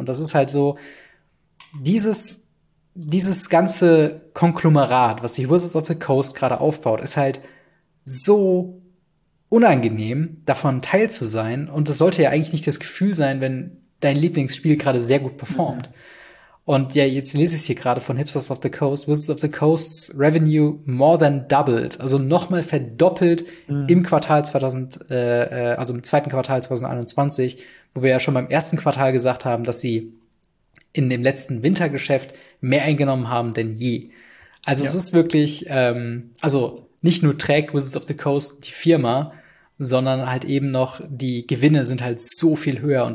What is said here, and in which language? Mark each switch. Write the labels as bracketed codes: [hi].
[de] Und das ist halt so, dieses ganze Konglomerat, was die Wizards of the Coast gerade aufbaut, ist halt so unangenehm, davon Teil zu sein. Und das sollte ja eigentlich nicht das Gefühl sein, wenn dein Lieblingsspiel gerade sehr gut performt. Und ja, jetzt lese ich es hier gerade von Hipsters of the Coast. [en] Wizards of the Coast's Revenue more than doubled. [de] Also nochmal verdoppelt im Quartal 2000, also im zweiten Quartal 2021, wo wir ja schon beim ersten Quartal gesagt haben, dass sie in dem letzten Wintergeschäft mehr eingenommen haben denn je. Also es ist wirklich, also nicht nur trägt Wizards of the Coast die Firma, sondern halt eben noch die Gewinne sind halt so viel höher.